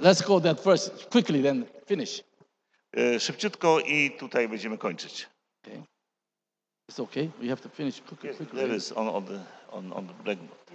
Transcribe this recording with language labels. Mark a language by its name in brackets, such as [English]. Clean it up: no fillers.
[English] Let's go that first quickly, then finish. [Polish] Szybciutko i tutaj będziemy kończyć. [English] Okay. It's okay. We have to finish quickly. There is on the blackboard.